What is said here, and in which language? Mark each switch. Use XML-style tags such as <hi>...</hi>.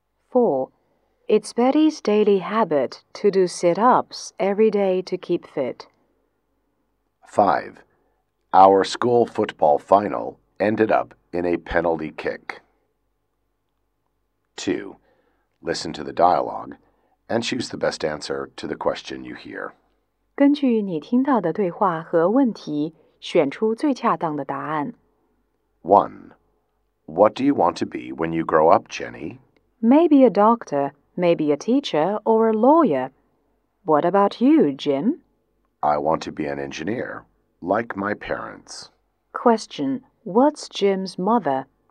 <en>4. It's Betty's daily habit to do sit-ups every day to keep fit. 5. Our school football final ended up in a penalty kick. 2. Listen to the dialogue and choose the best answer to the question you hear.</en> <zh>根据你听到的对话和问题，选出最恰当的答案。</zh> <en>1. What do you want to be when you grow up, Jenny? Maybe a doctor, maybe a teacher, or a lawyer. What about you, Jim? I want to be an engineer, like my parents. Question, what's Jim's mother?</en>